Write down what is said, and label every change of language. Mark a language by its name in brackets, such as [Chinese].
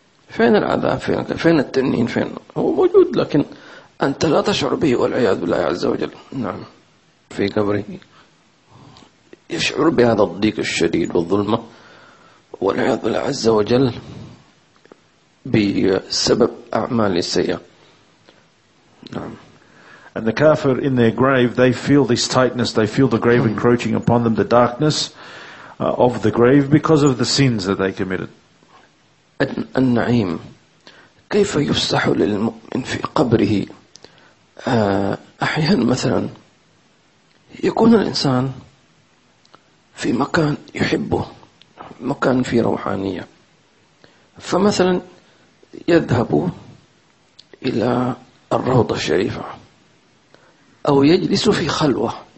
[Arabic] فين العذاب؟ فين التنين؟ فين هو موجود لكن أنت لا تشعر به والعياذ بالله عز وجل. نعم في قبره يشعر بهذا الضيق الشديد والظلمة والعياذ بالله عز وجل بسبب أعمال السيئة. نعم. [English] And the kafir in their grave, they feel this tightness, they feel the grave encroaching upon them, the darkness of the grave because of the sins that they committed. [Arabic] النعيم كيف يفسح للمؤمن في قبره؟ أحيانا مثلا يكون الإنسان في مكان يحبه, مكان فيه روحانية, فمثلا يذهب إلى الروضة الشريفة أو يجلس في خلوة,